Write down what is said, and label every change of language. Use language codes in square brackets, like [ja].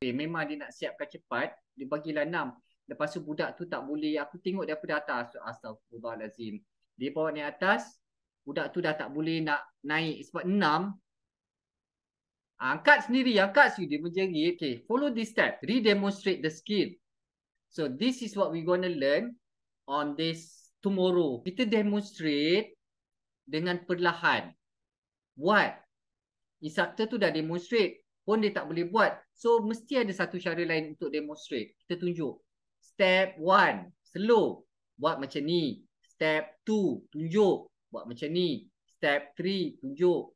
[ms] Okay, memang dia nak siapkan cepat, dia bagilah 6. Lepas tu budak tu tak boleh, aku tengok daripada atas, astagfirullahalazim. Dia bawa naik atas, budak tu dah tak boleh nak naik sebab 6. Angkat sendiri, angkat sendiri. Dia menjerit. [en] Okay, follow this step. Redemonstrate the skill. So, this is what we going to learn on this tomorrow. [ms] Kita demonstrate dengan perlahan. Buat. Instructor tu dah demonstrate pun dia tak boleh buat. So, mesti ada satu cara lain untuk demonstrate. Kita tunjuk. Step 1. Slow. Buat macam ni. Step 2. Tunjuk. Buat macam ni. Step 3. Tunjuk.